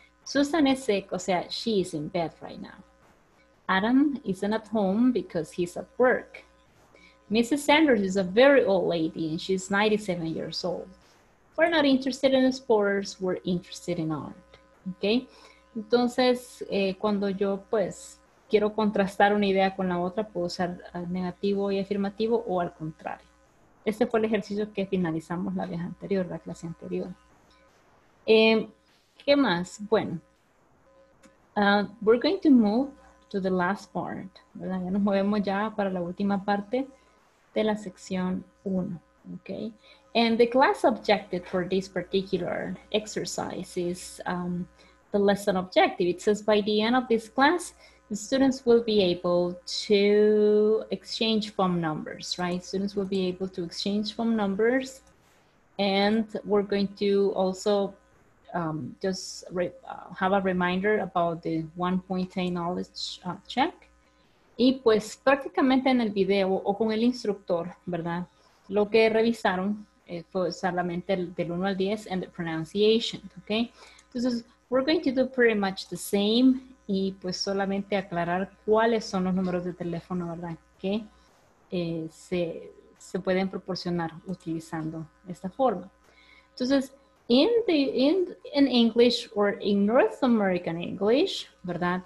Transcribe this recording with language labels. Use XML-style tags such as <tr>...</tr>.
<en>Susan is sick,</en> <es>o sea,</es> <en>she is in bed right now. Adam isn't at home because he's at work. Mrs. Sanders is a very old lady and she's 97 years old. We're not interested in sports, we're interested in art. Okay?</en> <es>Entonces, cuando yo pues quiero contrastar una idea con la otra, puedo usar negativo y afirmativo o al contrario. Este fue el ejercicio que finalizamos la vez anterior, la clase anterior. ¿Qué más? Bueno,</es> <en>we're going to move to the last part,</en> <es>¿verdad? Ya nos movemos ya para la última parte de la sección 1, okay?</es> <en>And the class objective for this particular exercise is the lesson objective. It says by the end of this class, the students will be able to exchange phone numbers, right? Students will be able to exchange phone numbers, and we're going to also have a reminder about the 1.10 knowledge check.</en> <es>Y pues prácticamente en el video o con el instructor, ¿verdad? Lo que revisaron fue solamente del 1 al 10</es> <en>and the pronunciation,</en> <es>okay? Entonces,</es> <en>we're going to do pretty much the same.</en> <es>Y pues solamente aclarar cuáles son los números de teléfono, ¿verdad? Que se pueden proporcionar utilizando esta forma. Entonces,</es> <en>in English or in North American English,</en> <es>¿verdad?</es>